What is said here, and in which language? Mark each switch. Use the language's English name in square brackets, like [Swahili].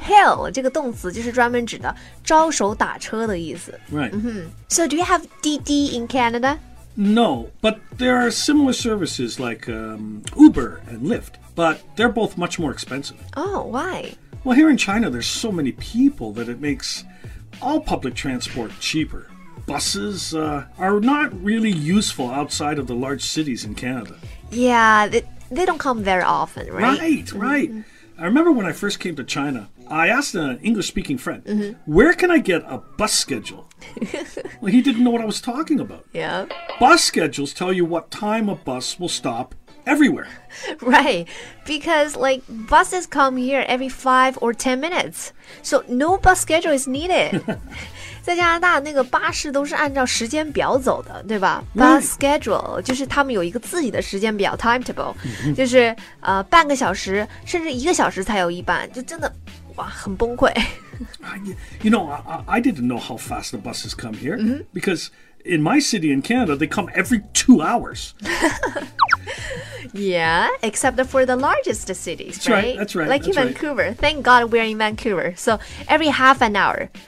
[Chinese] Hail 这个动词就是专门指的招手打车的意思 [English] Right.、Mm-hmm. So do you have DD in Canada? No, but there are similar services like、Uber and Lyft, but they're both much more expensive. Oh, why? Well, here in China, there's so many people that it makes all public transport cheaper. Buses、are not really useful outside of the large cities in Canada. Yeah, they don't come very often, right? Right.、Mm-hmm. I remember when I first came to China, I asked an English-speaking friend,、 mm-hmm. where can I get a bus schedule? Well, he didn't know what I was talking about. Yeah. Bus schedules tell you what time a bus will stop. Everywhere. Right, because like buses come here every 5 or 10 minutes, so no bus schedule is needed. [Chinese] 在加拿大那个巴士都是按照时间表走的对吧、 [English] right. [Chinese] Bus schedule 就是他们有一个自己的时间表 timetable、 mm-hmm. 就是、半个小时甚至一个小时才有一班就真的哇很崩溃 [English] You know, I didn't know how fast the buses come here、 mm-hmm. becauseIn my city in Canada, they come every 2 hours. Yeah, except for the largest cities, right? That's right, that's right. Like that's in Vancouver.、Right. Thank God we're in Vancouver. So every half an hour.